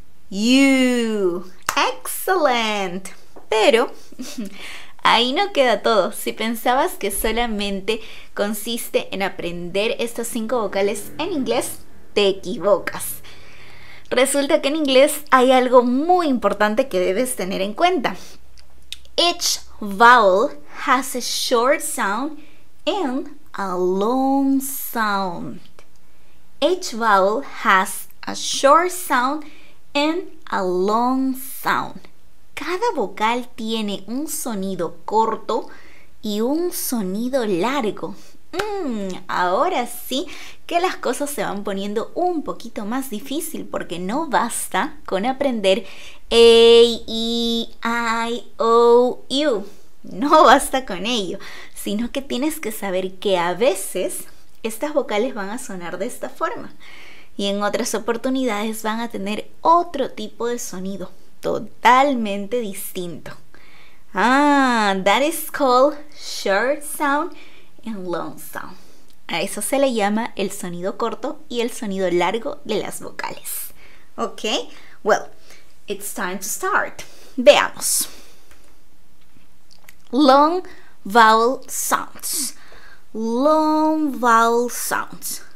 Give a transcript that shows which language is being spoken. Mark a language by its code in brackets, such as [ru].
[en] You. Excellent. [es] Pero ahí no queda todo. Si pensabas que solamente consiste en aprender estas 5 vocales en inglés, te equivocas. Resulta que en inglés hay algo muy importante que debes tener en cuenta. [en] Each vowel has a short sound and a long sound. Each vowel has a short sound and a long sound. [es] Cada vocal tiene un sonido corto y un sonido largo. Ahora sí que las cosas se van poniendo un poquito más difícil porque no basta con aprender A, E, I, O, U. No basta con ello, sino que tienes que saber que a veces estas vocales van a sonar de esta forma. Y en otras oportunidades van a tener otro tipo de sonido, totalmente distinto. [en] Ah, that is called short sound and long sound. [es] A eso se le llama el sonido corto y el sonido largo de las vocales. [en] Ok, well, it's time to start. [es] Veamos. [en] Long vowel sounds. Long vowel sounds.